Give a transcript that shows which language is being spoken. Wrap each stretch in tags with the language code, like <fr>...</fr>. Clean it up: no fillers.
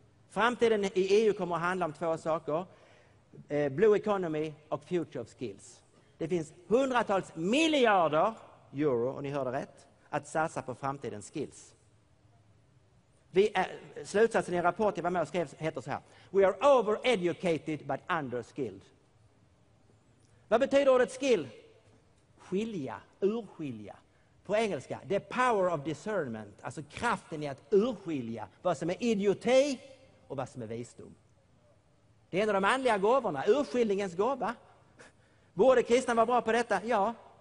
<sv>Framtiden i EU kommer att handla om 2 saker. Blue economy och</sv> <en>future of skills.</en> <sv>Det finns 100 miljarder euro, och ni hörde rätt, att satsa på framtidens skills. Slutsatsen i en rapport jag var med och skrev heter så här.</sv> <en>We are over-educated but under-skilled.</en> <sv>Vad betyder ordet skill? Skilja, urskilja. På engelska,</sv> <en>the power of discernment.</en> <sv>Alltså kraften i att urskilja vad som är idioti och vad som är visdom. Det är en av de andliga gåvorna, urskiljningens gåva. Borde kristna vara bra på detta? Ja.</sv>